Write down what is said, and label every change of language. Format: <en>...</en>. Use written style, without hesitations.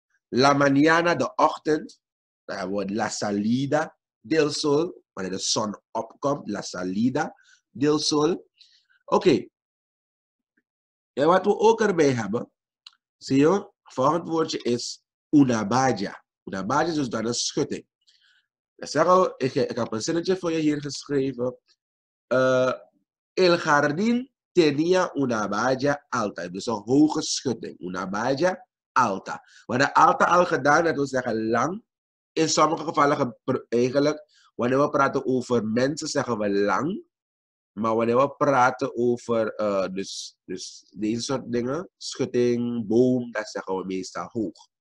<es>La mañana,</es> <nl>de ochtend, dan hebben we</nl> <es>la salida del sol,</es> <nl>wanneer de zon opkomt,</nl> <es>la salida del sol.</es> <nl>Oké. En wat we ook erbij hebben, zie je, volgend woordje is</nl> <es>una baja. Una baja</es> <nl>is dus dan een schutting. Dan zeg al, ik heb een zinnetje voor je hier geschreven.</nl> <es>El jardín tenía una baja alta.</es> <nl>Dus een hoge schutting.</nl> <es>Una baja alta.</es> <nl>Wanneer alta al gedaan, dat wil zeggen lang. In sommige gevallen eigenlijk, wanneer we praten over mensen, zeggen we lang. Maar wanneer we praten over dus deze soort dingen, schutting, boom, dat zeggen we meestal hoog.</nl>